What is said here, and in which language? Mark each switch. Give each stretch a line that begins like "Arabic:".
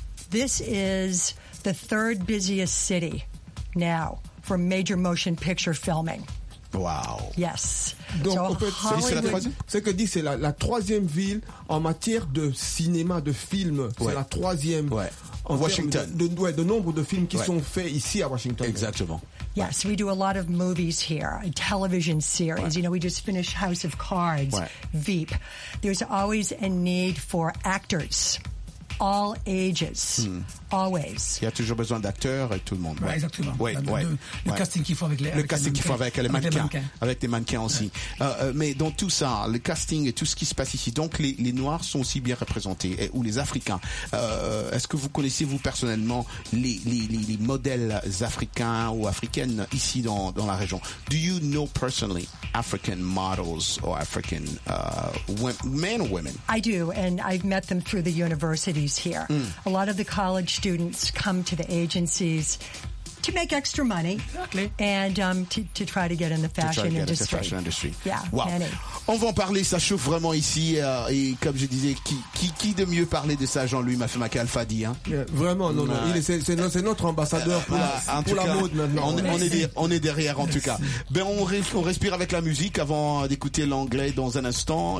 English: This is the third busiest city now for major motion picture filming. Wow. Yes.
French: Donc, so, en fait, Hollywood, c'est la troisième ville en matière de cinéma, de film. Ouais. C'est la troisième. Ouais. Washington. De nombre de films qui sont faits ici à Washington. Exactement.
English: Yes, we do a lot of movies here, a television series. Ouais. You know, we just finished House of Cards, Veep. There's always a need for actors, all ages, always.
French: Il y a toujours besoin d'acteurs et tout le monde. Ouais, exactement. Ouais, le casting qu'il faut avec les mannequins. Le casting qu'il faut avec les mannequins. Avec des mannequins aussi. Mais dans tout ça, le casting et tout ce qui se passe ici, donc les Noirs sont aussi bien représentés, ou les Africains. Est-ce que vous connaissez, vous, personnellement, les modèles africains ou africaines ici dans la région?
English: Do you know personally African models or African men or women? I do, and I've met them through the universities here. Mm. A lot of the college students come to the agencies to make extra money and to try to get in the fashion industry. The fashion industry. Yeah, wow. Many.
French: On va en parler, ça chauffe vraiment ici. Et comme je disais, qui de mieux parler de ça, Jean-Louis Mafemake Alfadi, hein? Vraiment, non. C'est notre ambassadeur pour la mode maintenant. On est derrière, en tout cas. Ben, on respire avec la musique avant d'écouter l'anglais dans un instant.